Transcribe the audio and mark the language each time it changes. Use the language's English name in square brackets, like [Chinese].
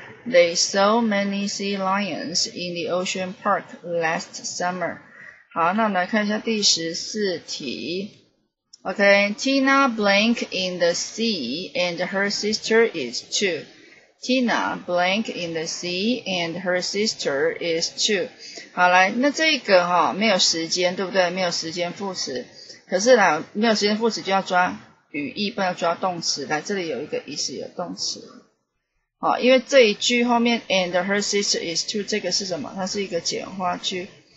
[English] They saw many sea lions in the ocean park last summer. [Chinese] 好，那我们来看一下第十四题。 [English] OK，Tina blank in the sea and her sister is two. Tina blank in the sea and her sister is two. [Chinese] 好，来，那这个哈，没有时间，对不对？没有时间副词。可是呢，没有时间副词就要抓语义，不要抓动词。来，这里有一个 is 有动词。好，因为这一句后面 [English] and her sister is two [Chinese] 这个是什么？它是一个简化句。